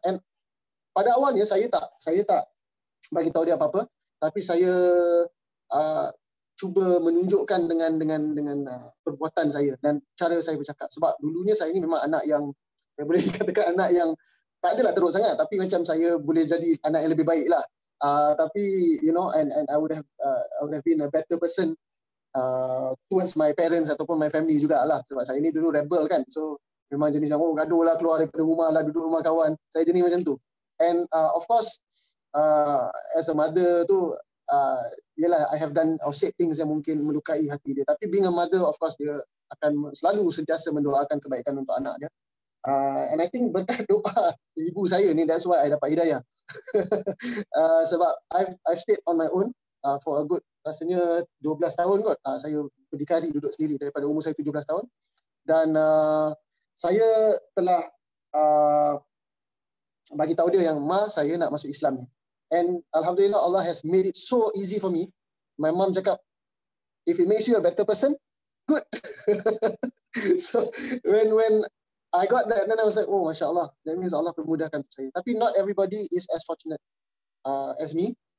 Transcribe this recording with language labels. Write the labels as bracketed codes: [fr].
[ms] And pada awalnya saya tak bagi tahu dia apa-apa, tapi saya cuba menunjukkan dengan perbuatan saya dan cara saya bercakap. Sebab dulunya saya ni memang anak yang, saya boleh katakan anak yang tak adalah teruk sangat, tapi macam saya boleh jadi anak yang lebih baik lah. [en] Tapi you know, and I would have been a better person towards my parents ataupun my family jugalah. [ms] Sebab saya ni dulu rebel kan, so memang jenis yang, oh gaduh lah, keluar daripada rumah lah, duduk rumah kawan. Saya jenis macam tu. [en] And of course, as a mother tu, yelah, I have done or said things [ms] yang mungkin melukai hati dia. Tapi [en] being a mother, of course, [ms] dia akan selalu sentiasa mendoakan kebaikan untuk anak dia. [en] And I think [ms] berkat doa ibu saya ni, [en] that's why I [ms] dapat hidayah. [en] Sebab I've stayed on my own for a good, [ms] rasanya 12 tahun kot. Saya berdikari duduk sendiri daripada umur saya 17 tahun. Dan saya telah bagi tahu dia yang, ma, saya nak masuk Islam ni. [en] And alhamdulillah, Allah has made it so easy for me. My mom cakap, if it makes you a better person, good. So when I got that, then I was like, oh masya Allah, that means Allah [ms] permudahkan saya. [en] Tapi not everybody is as fortunate as me.